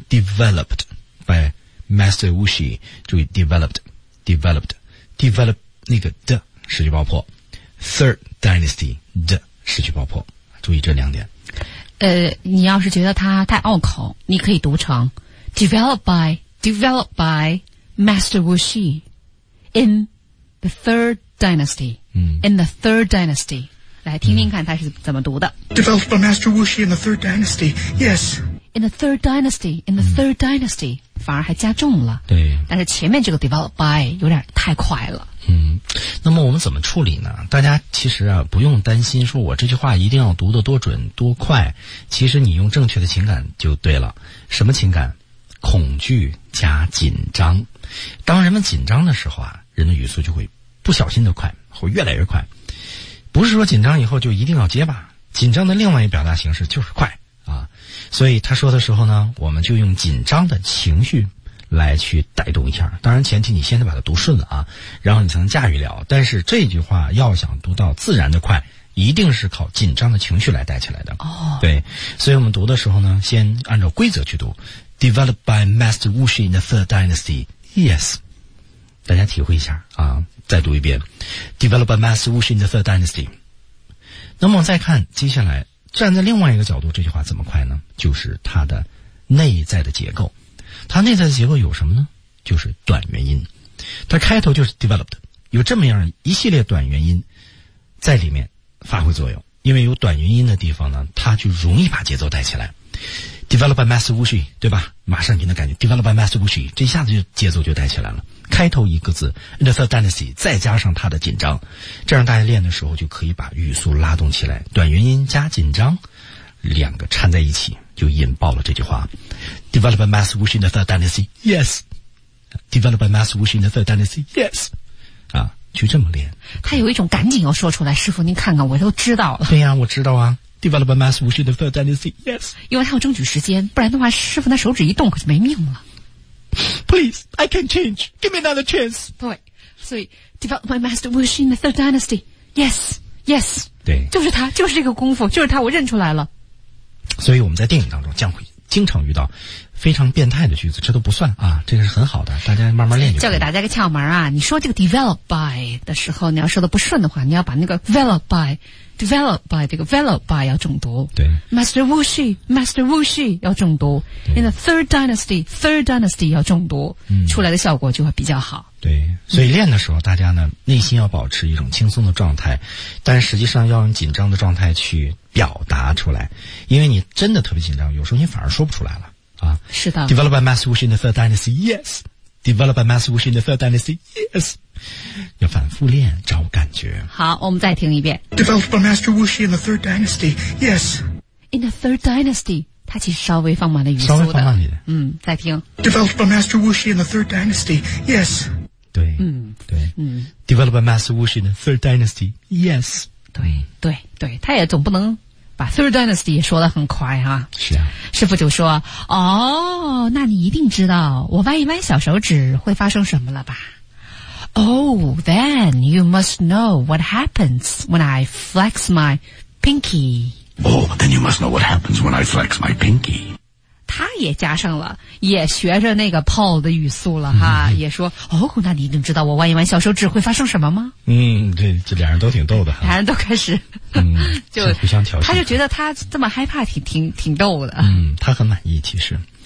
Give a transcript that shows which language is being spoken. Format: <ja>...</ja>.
<en>Developed by Master Wuxi，</en> <zh>注意 developed， developed， develop 那个的失去爆破， Third Dynasty 的失去爆破，注意这两点。你要是觉得它太拗口，你可以读成</zh> <en>Developed by Master Wuxi in the Third Dynasty. In the Third Dynasty.</en> <zh>来听听看他是怎么读的。</zh> <en>Developed by Master Wuxi in the Third Dynasty. Yes. In the Third Dynasty. In the Third Dynasty.</en> <zh>反而还加重了。对。但是前面这个 developed by 有点太快了。那么我们怎么处理呢？大家其实啊，不用担心说我这句话一定要读得多准多快。其实你用正确的情感就对了。什么情感？恐惧加紧张，当人们紧张的时候啊，人的语速就会不小心的快，会越来越快。不是说紧张以后就一定要结巴，紧张的另外一表达形式就是快啊。所以他说的时候呢，我们就用紧张的情绪来去带动一下。当然前提你先得把它读顺了啊，然后你才能驾驭了。但是这句话要想读到自然的快，一定是靠紧张的情绪来带起来的。哦，对，所以我们读的时候呢，先按照规则去读。</zh> <en>Developed by Master Wuxi in the Third Dynasty. Yes.</en> <zh>大家体会一下啊，再读一遍。</zh> <en>Developed by Master Wuxi in the Third Dynasty.</en> <zh>那么再看接下来站在另外一个角度这句话怎么快呢？就是它的内在的结构。它内在的结构有什么呢？就是短元音。它开头就是 developed， 有这么样一系列短元音在里面发挥作用。因为有短元音的地方呢，它就容易把节奏带起来。</zh> <en>Developed by Master Wuxi，</en> <zh>对吧？马上就能感觉 Developed by Master Wuxi， 这一下子就节奏就带起来了。开头一个字 ，The Third Dynasty， 再加上它的紧张，这样大家练的时候就可以把语速拉动起来。短元音加紧张，两个掺在一起就引爆了这句话。</zh> <en>Developed by Master Wuxi in the Third Dynasty， Yes。 Developed by Master Wuxi in the Third Dynasty， Yes。</en> <zh>啊，就这么练。他有一种赶紧要说出来，师傅您看看，我都知道了。对呀、啊，我知道啊。</zh> <en>Developed by Master Wuxi in the Third Dynasty. Yes.</en> <zh>因为他要争取时间，不然的话，师傅那手指一动可就没命了。</zh> <en>Please, I can change. Give me another chance.</en> <zh>对，所以</zh> <en>Developed by Master Wuxi in the Third Dynasty. Yes, yes.</en> <zh>对，就是他，就是这个功夫，就是他，我认出来了。所以我们在电影当中将会经常遇到非常变态的句子，这都不算啊，这个是很好的，大家慢慢练就。教给大家个窍门啊，你说这个 developed by 的时候，你要说的不顺的话，你要把那个 developed by 这个 developed by 要重读。对，Master Wuxi 要重读 ，</zh> <en>in the Third Dynasty</en> <zh>要重读，出来的效果就会比较好。对，所以练的时候，大家呢内心要保持一种轻松的状态，但实际上要用紧张的状态去表达出来，因为你真的特别紧张，有时候你反而说不出来了。是的。</zh> <en>Developed by Master Wuxi in the Third Dynasty, yes. Developed by Master Wuxi in the Third Dynasty, yes.</en> <zh>要反复练，找感觉。好，我们再听一遍。</zh> <en>Developed by Master Wuxi in the Third Dynasty, yes. In the Third Dynasty,</en> <zh>它其实稍微放慢了语速的。稍微放慢一点。再听。</zh> <en>Developed by Master Wuxi in the Third Dynasty, yes.</en> <zh>对。对。</zh> <en>Developed by Master Wuxi in the Third Dynasty, yes.</en> <zh>对。对。对。它也总不能把 Third Dynasty 也说得很快啊。是啊。师傅就说，哦，那你一定知道我弯一弯小手指会发生什么了吧。</zh> <en>Oh, then you must know what happens when I flex my pinky. Oh, then you must know what happens when I flex my pinky.</en> <zh>他也加上了，也学着那个 Paul 的语速了哈，也说，哦，那你一定知道我弯一弯小手指会发生什么吗？对，这俩人都挺逗的。俩人都开始就互相调戏，他就觉得他这么害怕挺逗的。他很满意，其实</zh>